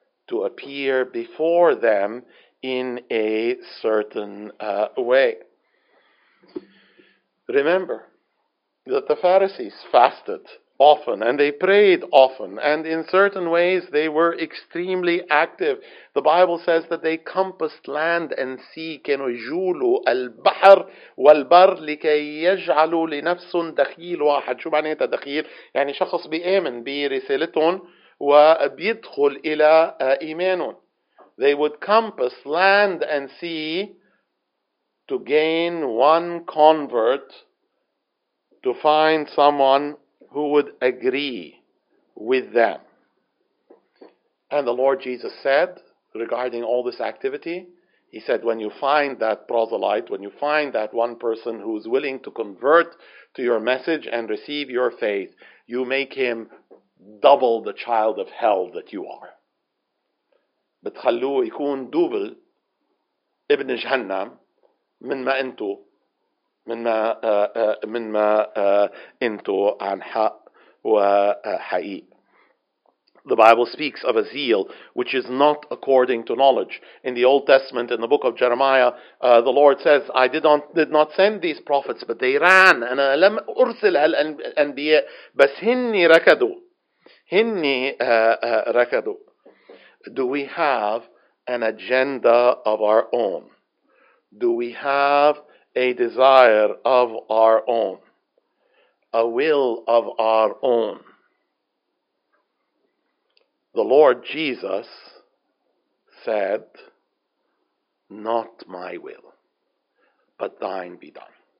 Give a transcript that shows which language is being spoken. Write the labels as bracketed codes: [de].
[en] to appear before them in a certain way. Remember that the Pharisees fasted often, and they prayed often, and in certain ways they were extremely active. The Bible says that they compassed land and sea, [ar] كانوا يجولوا البحر والبر لكي يجعلوا لنفس دخيل واحد. شو معناتها دخيل؟ يعني شخص بيأمن برسالتهم وبيدخل إلى إيمانهم. [en] They would compass land and sea to gain one convert, to find someone who would agree with them. And the Lord Jesus said, regarding all this activity, he said, when you find that proselyte, when you find that one person who is willing to convert to your message and receive your faith, you make him double the child of hell that you are. [ar] بتخلوه يكون دوبل ابن جهنم من ما انتو من ما انتو عن حق وحقيق. [en] The Bible speaks of a zeal which is not according to knowledge. In the Old Testament, in the book of Jeremiah, the Lord says, I did not send these prophets, but they ran. [ar] أنا لم أرسل الأنبياء بس هني ركضوا. [en] Do we have an agenda of our own? Do we have a desire of our own? A will of our own? The Lord Jesus said, not my will, but thine be done.